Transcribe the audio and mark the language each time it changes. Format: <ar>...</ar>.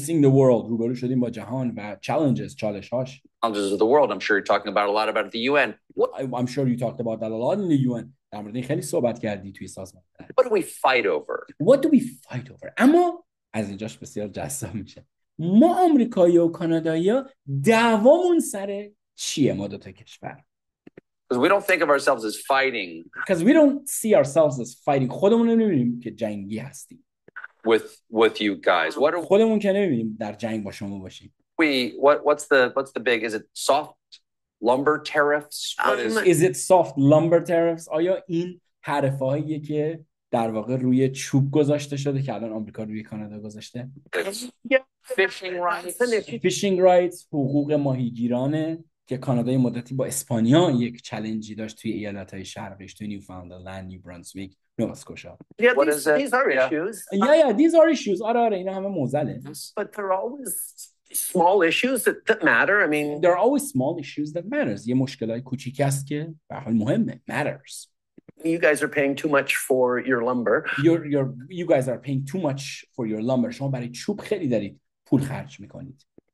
<en>Facing the world.</en> <fa>روبرو شدیم با جهان و challenges، چالش هاش.</fa> <en>challenges of the world. I'm sure you're talking about a lot about the UN. What? I'm sure you talked about that a lot in the UN.</en> <fa>در مورد این خیلی صحبت کردی توی سازمان.</fa> <en>What do we fight over? What do we fight over?</en> <fa>اما از اینجاش بسیار جذاب میشه. ما آمریکایی و کانادایی دعوامون سر چیه ما دوتا کشور؟</fa> <en>Because we don't think of ourselves as fighting. Because we don't see ourselves as fighting.</en> <fa>خودمون نمی‌بینیم که جنگی هستیم.</fa> <en>With you guys. What are</en> <fa>خودمون که نمی‌بینیم در جنگ با شما باشیم.</fa> <en>What's the big, is it soft lumber tariffs? Is it soft lumber tariffs?</en> <fa>آیا این حرفاییه که در واقع روی چوب گذاشته شده که الان آمریکا روی کانادا گذاشته؟</fa> <en>Fishing rights,</en> <fa>حقوق ماهیگیرانه که کانادای مدتی با اسپانیا یک چالنجی داشت توی ایالت‌های شرقیش، توی نیوفاوندلند، نیو برانسویک، نواسکوشا.</fa> <en>These are issues.</en> <fa>آره، اینا همه موزله.</fa> <en>But there are always small issues that matter. I mean, there are always small issues that matters.</en> <fa>یه مشکلای کوچیک هست که به هر حال مهمه.</fa> <en>Matters. You guys are paying too much for your lumber. You guys are paying too much for your lumber.</en> <fa>شما برای چوب خیلی دارید پول خرج میکنید.</fa>